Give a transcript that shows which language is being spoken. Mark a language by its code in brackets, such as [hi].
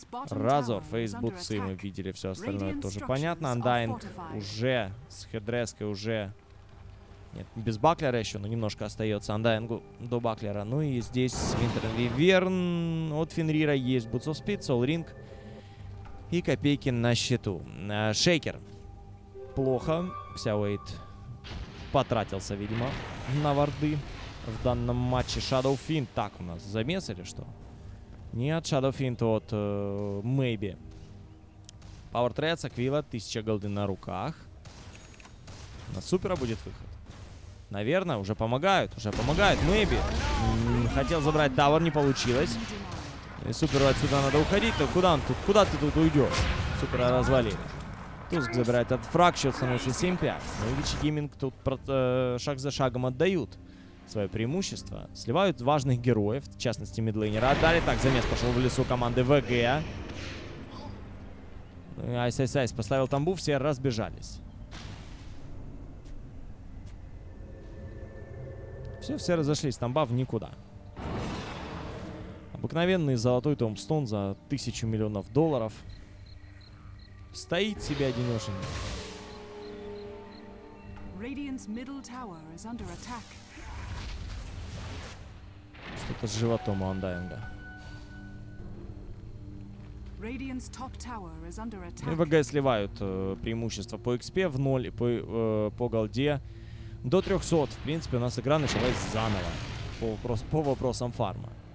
[ru] Разор. Фейс Буцы мы видели. Все остальное тоже понятно. Undying уже с хедреской уже... Нет, без Баклера еще, но немножко остается Андаингу до Баклера. Ну и здесь Винтер Виверн от Фенрира есть. Boots of Speed, Soul Ring и копейки на счету. Шейкер. Плохо. Ксяуэйт потратился, видимо, на варды в данном матче. Shadow Fiend. Так, у нас замес или что? Нет, Shadow Fiend от Maybe. Power Threads, Аквила, 1000 голды на руках. На супера будет выход. Наверное, уже помогают. Уже помогают. Maybe. Хотел забрать тавер, не получилось. И супер отсюда надо уходить. Так куда он тут? Куда ты тут уйдешь? Супер развалили. Туск забирает этот фраг. Счет становится 7-5. Ну и Vici Gaming тут шаг за шагом отдают свое преимущество. Сливают важных героев. В частности, мидлейнера. Далее так, замес пошел в лесу команды ВГ. Айс-айс-айс, поставил тамбу, все разбежались. Все, все разошлись, тамба в никуда. Обыкновенный золотой томбстон за 1000 миллионов долларов. Стоит себе одиноченный. [en] Radiant's middle tower is under attack. [ru] Что-то с животом у Андаинга. [en] Radiant's top tower is under attack. [ru] Ну, ВГ сливают преимущество по XP в ноль и по голде до 300. В принципе, у нас игра началась заново по вопросам фарма.